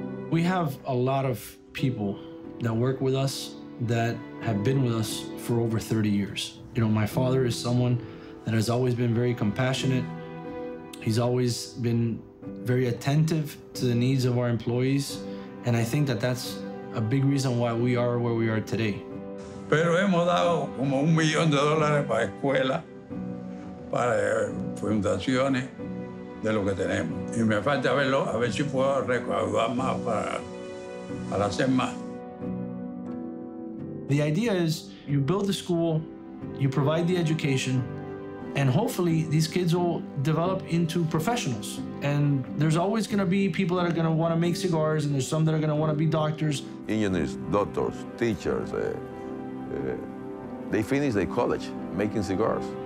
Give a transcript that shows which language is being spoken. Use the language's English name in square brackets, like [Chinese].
[English] We have a lot of people that work with us that have been with us for over 30 years. You know, my father is someone that has always been very compassionate. He's always been very attentive to the needs of our employees. And I think that that's a big reason why we are where we are today. [Spanish] Pero hemos dado como $1,000,000 para escuela, para fundaciones de lo que tenemos. Y me falta verlo, a ver si puedo recaudar más para hacer más. [English] The idea is you build the school, you provide the education, And hopefully these kids will develop into professionals. And there's always gonna be people that are gonna wanna make cigars, and there's some that are gonna wanna be doctors. Engineers, doctors, teachers, they finish their college making cigars.